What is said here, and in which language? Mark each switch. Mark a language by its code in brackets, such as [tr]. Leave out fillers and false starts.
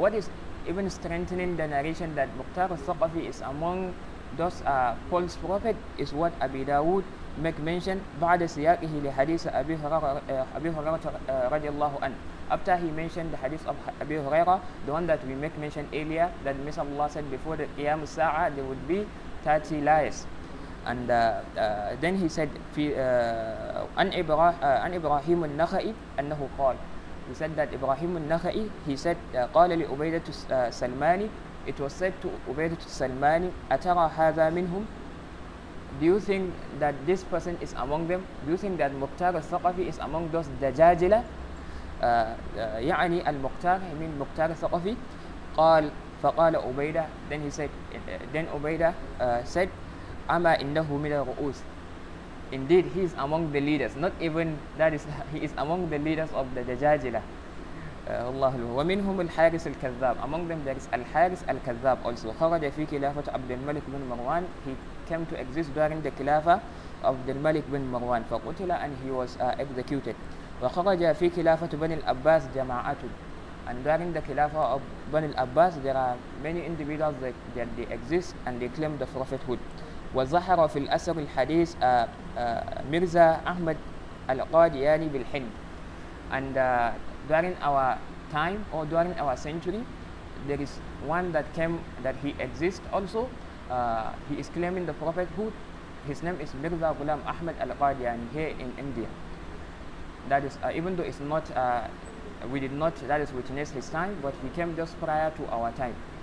[en] What is even strengthening the narration that Mukhtar al-Thaqafi is among those false prophets is what Abu Dawood make mention [ar] بعد سياقه لحديث أبي هريرة رضي الله عنه. [en] After he mentioned the hadith of Abi Huraira, the one that we make mention earlier, that Mr. Allah said before the Qiyam al-Sa'a there would be 30 lies. And then he said [ar] عن إبراهيم النخعي أنه قال. [en] He said that إبراهيم النخعي, he said [ar] قال لأبيدة السلماني. [en] It was said to Ubayd al-Salmani, [ar] أَتَرَى هَذَا مِنْهُمْ. [en] Do you think that this person is among them? Do you think that Mukhtar al-Thaqafi is among those Dajajila? [ar] يعني المقتار, [en] I mean Mukhtar al-Thaqafi. [ar] قال, فقال أبيدة. [en] Then he said, then أبيدة said, [ar] أَمَا إِنَّهُ مِنَ الرؤوس. [en] Indeed, he is among the leaders. Not even, that is, he is among the leaders of the Dajajila. [ar] الله له. ومنهم الحارس الكذاب. [en] Among them there is [ar] الحارس الكذاب [en] also. [ar] خرج في خلافة عبد الملك بن مروان. [en] He came to exist during the خلافة of عبد الملك بن مروان. [ar] فقتل [en] and he was executed. [ar] وخرج في خلافة بني العباس جماعة. [en] And during the خلافة of بني العباس there are many individuals that they exist and they claim the prophethood. [ar] وظهر في الأثر الحديث مرزا أحمد القادياني بالحند. [en] And during our time or during our century, there is one that came that he exists also. He is claiming the prophethood. His name is Mirza Ghulam Ahmed Al-Qadiani here in India. That is, even though it's not, we did not, that is, witness his time, but he came just prior to our time.